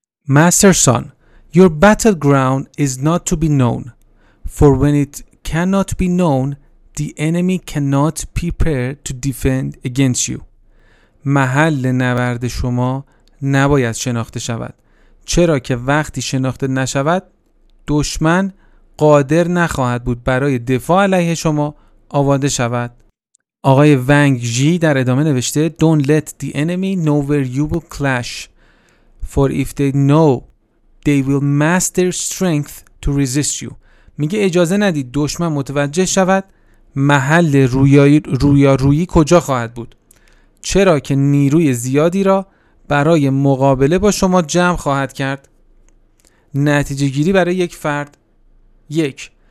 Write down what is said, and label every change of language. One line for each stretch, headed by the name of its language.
English: Master Son, your battleground is not to be known, for when it cannot be known, the enemy cannot prepare to defend against you.
Persian: محل نبرد شما نباید شناخته شود، چرا که وقتی شناخته نشود، دشمن قادر نخواهد بود برای دفاع علیه شما آماده شود. آقای ونگ جی در ادامه نوشته
English: Don't let the enemy know where you will clash. For if they know, they will master strength to resist you.
Persian: میگه اجازه ندید دشمن متوجه شود محل رویارویی کجا خواهد بود. چرا که نیروی زیادی را برای مقابله با شما جمع خواهد کرد. نتیجه گیری برای یک فرد. 1.